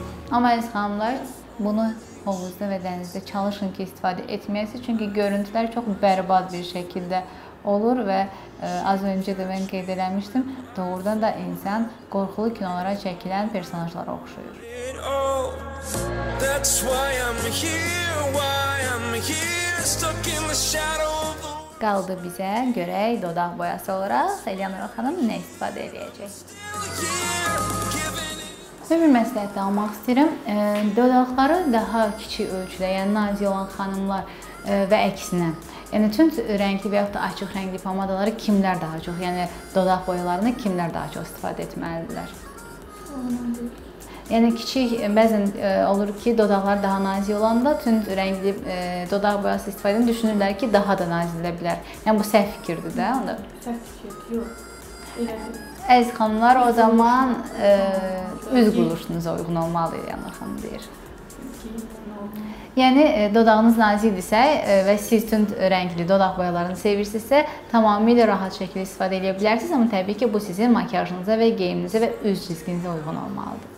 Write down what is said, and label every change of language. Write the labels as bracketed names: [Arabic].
[Azerbaijani] Amma əziz xanımlar, bunu hovuzda və dənizdə çalışın ki, istifadə etməyəsiz, çünki görüntülər çox bərbad bir şəkildə olur və az öncə də mən qeyd eləmişdim, doğrudan da insan qorxulu kinolara çəkilən personajlara oxşuyur. [English] That's why I'm here, why I'm here, stuck in the shadow of the... [Azerbaijani] Qaldı bizə görək dodaq boyası olaraq Elyanara xanım nə istifadə edəcək? Bir məsləhət almaq istəyirəm. Dodaqları daha kiçik ölçüdə, yəni nazik olan xanımlar və əksinə. Yəni, tüm rəngli və yaxud da açıq rəngli pomadaları kimlər daha çox, yəni dodaq boyalarını kimlər daha çox istifadə etməlidirlər? Yəni, kiçik, bəzən olur ki, dodaqlar daha nazik olanda tüm rəngli dodaq boyası istifadə edin, düşünürlər ki, daha da nazik edə bilər. Yəni, bu səhv fikirdir də? Səhv fikirdir, yox. Əziz xanımlar, o zaman üz quruluşunuza uyğun olmalıdır, yəni xanım deyir. Yəni, dodağınız nazikdirsə və siz tünd rəngli dodaq boyalarını sevirsinizsə, tamamilə rahat şəkildə istifadə edə bilərsiniz, amma təbii ki, bu sizin makyajınıza və geyiminizə və üz cizginizə uyğun olmalıdır.